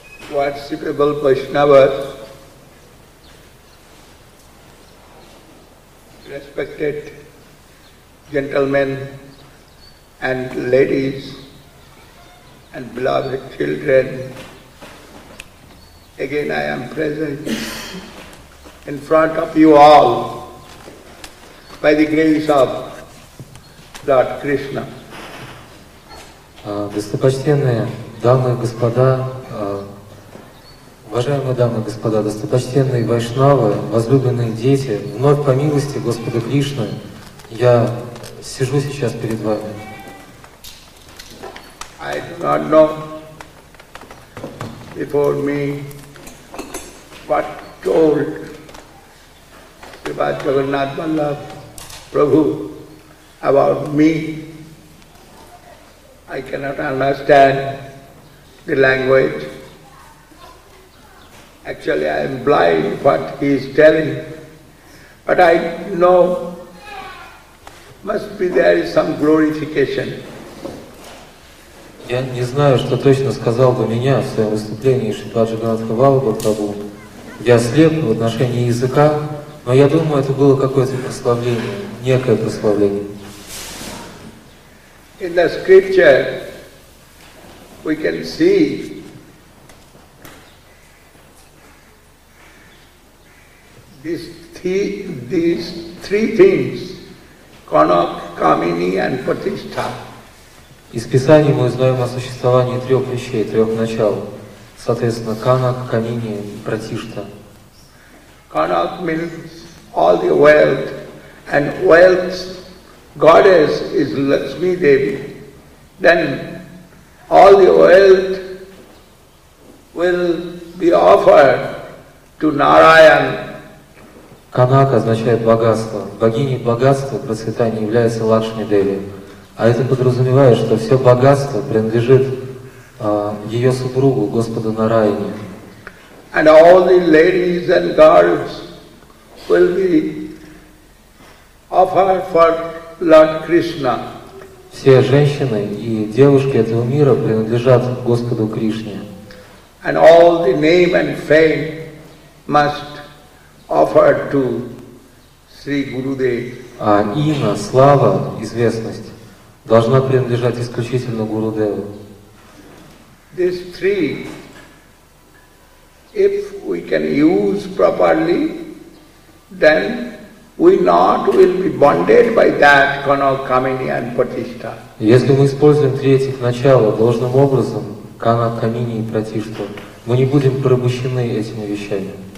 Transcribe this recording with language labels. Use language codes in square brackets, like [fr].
[en] Worshipable Vaishnavas, respected gentlemen and ladies and beloved children, again I am present in front of you all by the grace of Lord Krishna. [ru] Достопочтенные дамы и господа, уважаемые дамы и господа, достопочтенные вайшнавы, возлюбленные дети, вновь по милости Господа Кришны, я сижу сейчас перед вами. [en] I do not know before me what told Sribad Jagannath Vallabh Prabhu about me. I cannot understand the language. Actually, I am blind what he is telling, but I know must be there is some glorification. [ru] Я не знаю, что точно сказал бы меня в своем выступлении Шрила Джаганнатха Валлабха Прабху. Я слеп в отношении языка, но я думаю, это было какое-то прославление, некое прославление. [en] In the scripture, we can see these three things, Kanak, Kamini and Pratishtha. [ru] Из Писания мы узнаем о существовании трех вещей, трех начал. Соответственно, Kanak, Kamini и Pratishtha. [en] Kanak means all the wealth, and wealth goddess is Lakshmi Devi. Then all the wealth will be offered to Narayan. [ru] Канака означает богатство. Богиней богатства процветания является Лакшми Деви. А это подразумевает, что все богатство принадлежит ее супругу, Господу Нараяне. [en] And all the ladies and girls will be offered for Lord Krishna. [ru] Все женщины и девушки этого мира принадлежат Господу Кришне. [en] And all the name and fame must offered to Sri Gurudev. [ru] А имя, слава, известность должна принадлежать исключительно Гурудеву. [en] These three, if we can use properly, then we not will be bonded by that Kanak, Kamini and Pratishtha. [ru] Если мы используем три этих начала должным образом, Kanak, Kamini и Pratishtha, мы не будем пробущены этими вещами.